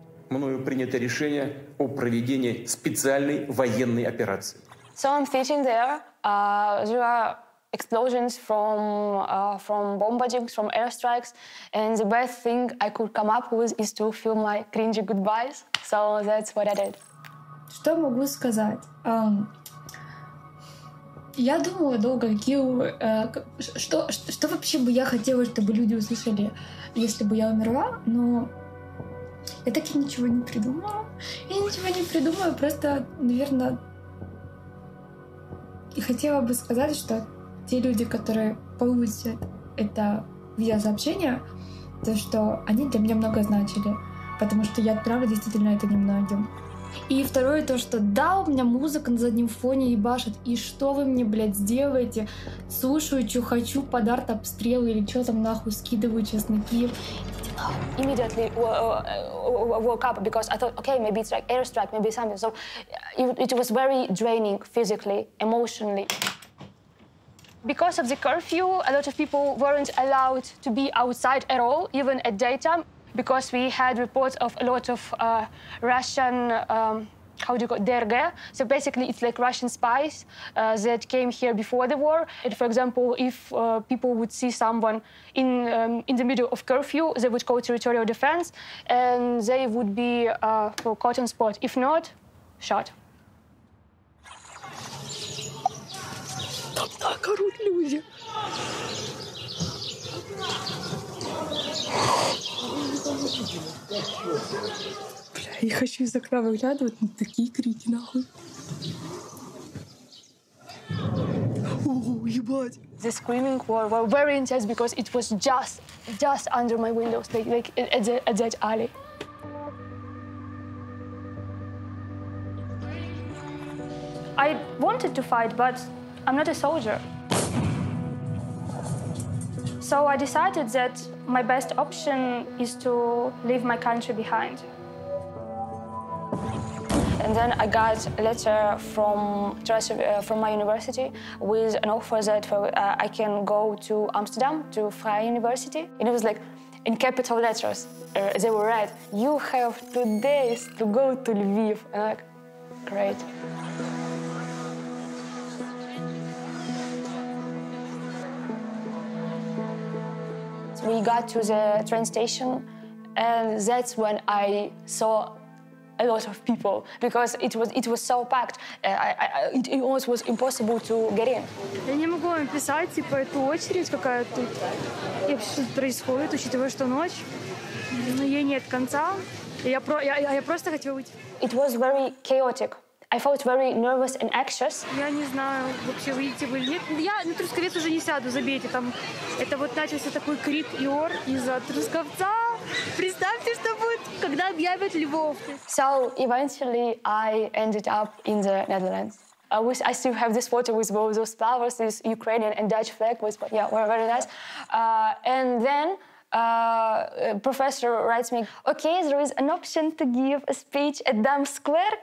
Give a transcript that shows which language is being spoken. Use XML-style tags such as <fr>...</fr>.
<ru>Мною принято решение о проведении специальной военной операции.</ru> <en>So I'm sitting there. There are explosions from bombardings, from airstrikes, and the best thing I could come up with is to feel my cringy goodbyes. So that's what I did.</en> <ru>Что могу сказать? Я думала долго, что вообще бы я хотела, чтобы люди услышали, если бы я умерла, но я так и ничего не придумала. Я ничего не придумала, просто, наверное, хотела бы сказать, что те люди, которые получат это видеосообщение, то что они для меня много значили, потому что я отправлю действительно это немногим. И второе то, что да, у меня музыка на заднем фоне ебашит, и что вы мне, блядь, сделаете? Слушаю, что хочу, под арт обстрел или что там нахуй, скидываю чесноки.</ru> <en>Immediately woke up because I thought, okay, maybe it's like airstrike, maybe something. So it was very draining physically, emotionally. Because of the curfew, a lot of people weren't allowed to be outside at all, even at daytime, because we had reports of a lot of Russian, how do you call it, derge. So basically it's like Russian spies that came here before the war. And for example, if people would see someone in the middle of curfew, they would call territorial defense and they would be caught on spot. If not, shot.</en> <ru>Там так орут люди. Бля, я хочу из окна выглядывать, но такие крики, нахуй. Ого, ебать.</ru> <en>The screaming were very intense because it was just under my windows, like at that alley. I wanted to fight, but I'm not a soldier. So I decided that my best option is to leave my country behind. And then I got a letter from my university with an offer that I can go to Amsterdam, to Vrije University. And it was like, in capital letters, they were red. You have 2 days to go to Lviv. And I'm like, great. We got to the train station, and that's when I saw a lot of people because it was so packed. It almost was impossible to get in.</en> <ru>Я не могу вам писать, типа, эту очередь какая тут. И что происходит, учитывая, что ночь. Но ей нет конца. Я просто хотела выйти.</ru> <en>It was very chaotic. I felt very nervous and anxious.</en> <ru>Я не знаю, вообще выйти вы или нет. Я на трусковец уже не сяду, забейте там. Это вот начался такой крик и ор из-за трусковца. Представьте, что будет, когда объявят Львов.</ru> <en>So eventually I ended up in the Netherlands. I still have this photo with both those flowers, this Ukrainian and Dutch flag was, yeah, very nice. And then professor writes me, okay, there is an option to give a speech at Dam Square.</en>